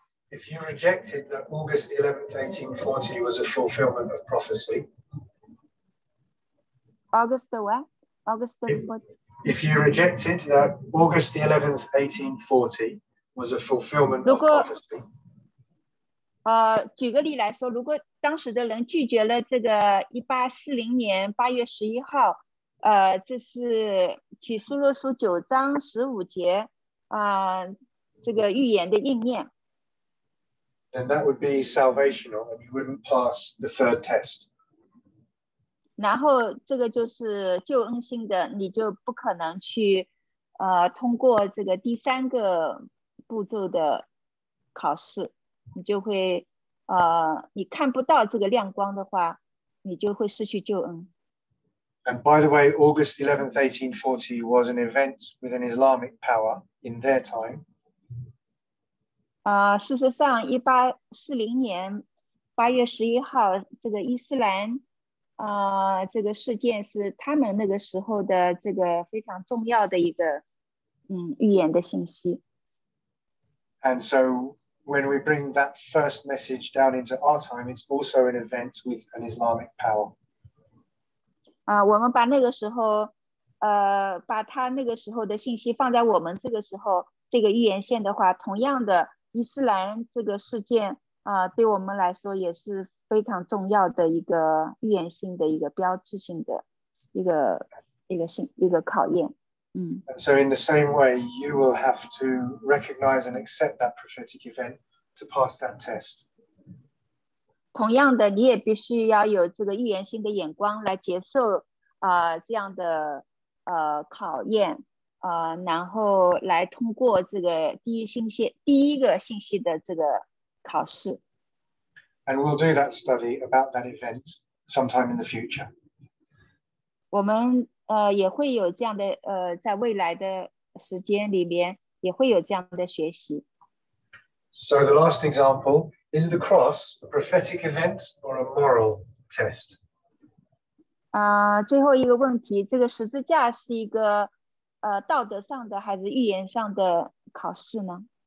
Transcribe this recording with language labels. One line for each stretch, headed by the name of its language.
English: if you rejected that August 11th, 1840 was a fulfillment of prophecy, August the what? August the what? If you rejected that August 11th, 1840 was a fulfillment
Chinese: 如果,
English: of prophecy,
Chinese: 举个例来说， 如果当时的人拒绝了这个1840年8月11号， 这是启示录书9章15节， 这个预言的应验。
English: Then that would be salvational, and you wouldn't pass the third test.
Chinese: 然后这个就是救恩性的， 你就不可能去， 通过这个第三个步骤的考试， 你就会， 你看不到这个亮光的话， 你就会失去救恩。
English: And by the way, August 11th, 1840 was an event with an Islamic power in their time.
Chinese: 事实上 1840年 8月11号 这个伊斯兰 这个事件是他们那个时候的这个非常重要的一个 预言的信息。
English: And so when we bring that first message down into our time, it's also an event with an Islamic power.
Chinese: 我们把那个时候 把他那个时候的信息放在我们这个时候 这个预言线的话 同样的伊斯兰这个事件 对我们来说也是非常重要的一个预言性的一个标志性的一个考验。
English: So in the same way, you will have to recognize and accept that prophetic event to pass that test.
Chinese: 同样的, 你也必须要有这个预言性的眼光来接受 这样的考验, 然后来通过这个第一个信息的这个考试。
English: And we'll do that study about that event sometime in the future.
Chinese: 我们 也会有这样的 在未来的时间里面 也会有这样的学习。
English: So the last example, is the cross a prophetic event or a moral test?
Chinese: 最后一个问题, 这个十字架是一个 道德上的还是预言上的考试呢?